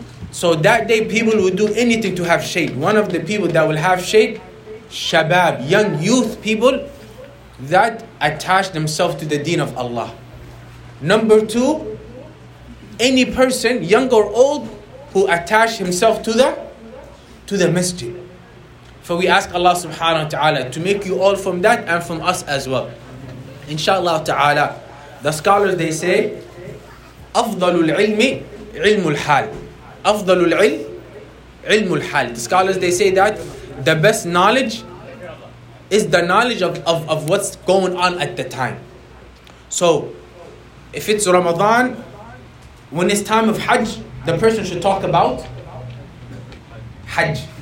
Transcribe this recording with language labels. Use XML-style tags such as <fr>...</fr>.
<en>So that day, people will do anything to have shade. One of the people that will have shade, shabab, young youth people that attach themselves to the deen of Allah. Number two, any person, young or old, who attach himself to the masjid. For we ask Allah subhanahu wa ta'ala to make you all from that and from us as well.</en> <ar>Inshallah ta'ala,</ar> <en>the scholars, they say,</en> <ar>أَفْضَلُ الْعِلْمِ عِلْمُ الْحَالِ أَفْضَلُ الْعِلْمِ عِلْمُ الْحَالِ.</ar> <en>The scholars, they say that the best knowledge is the knowledge of what's going on at the time. So, if it's Ramadan, when it's time of Hajj, the person should talk about Hajj.</en>